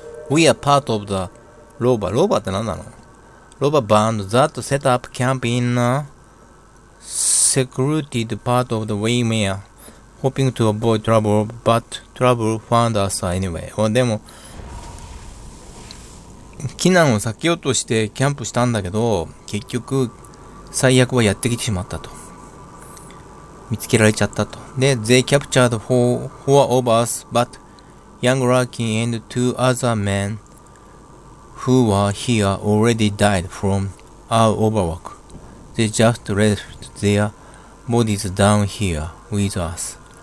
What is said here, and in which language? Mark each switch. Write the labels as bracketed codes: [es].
[en] We are part of the robber. [ja] Robber って何なの? [en] Robber band that set up camp in a secluded part of the Waymere, hoping to avoid trouble, but trouble found us anyway. [ja] でも、避難を避けようとしてキャンプしたんだけど、結局、最悪はやってきてしまったと。見つけられちゃったと。 [en] で、they captured four of us, but young Larkin and two other men who were here already died from our overwork. They just left their bodies down here with us.